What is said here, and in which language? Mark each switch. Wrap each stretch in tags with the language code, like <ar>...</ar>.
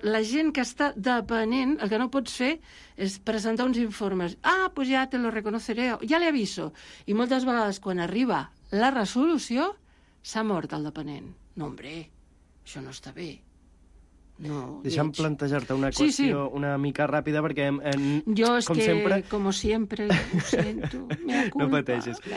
<ca>La gent que està depenent, el que no pots fer és presentar uns informes.</ca> <es>Ah, pues ya te lo reconoceré, ya le aviso.</es> <ca>I moltes vegades, quan arriba la resolució, s'ha mort el depenent.</ca> <es>No, hombre,</es> <ca>això no està bé. No, deixa'm plantejar-te una qüestió una mica ràpida, perquè com sempre, ho sento, no pateixis.</ca>